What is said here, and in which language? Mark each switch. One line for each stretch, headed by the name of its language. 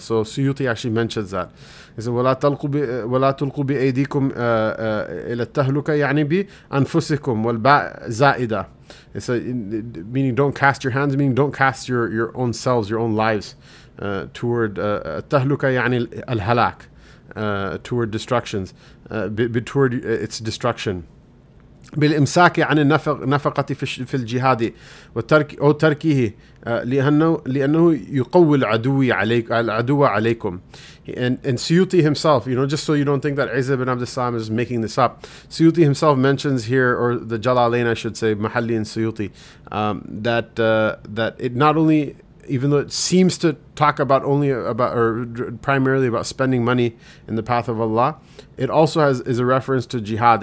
English: So Suyuti actually mentions that. He said,
Arabic: وَلَا تُلْقُوا بِأَيْدِيكُمْ إِلَى التَّهْلُكَ يَعْنِي بِأَنفُسِكُمْ وَالْبَاءَ زَائِدًا.
English: It's a, meaning don't cast your hands, meaning don't cast your own selves, your own lives toward
Arabic: التَّهْلُكَ يَعْنِي الْهَلَاكَ.
English: Toward destructions, toward its destruction.
Arabic: بالإمساك عن النفقة في الجهاد أو تركه لأنه يقوي العدو عليكم.
English: And Suyuti himself, you know, just so you don't think that Izzah ibn Abd al-Salam is making this up, Suyuti himself mentions here, or the Jalalain, I should say, Mahalli and Suyuti, that it not only, even though it seems to talk about only about or primarily about spending money in the path of Allah, it also is a reference to jihad.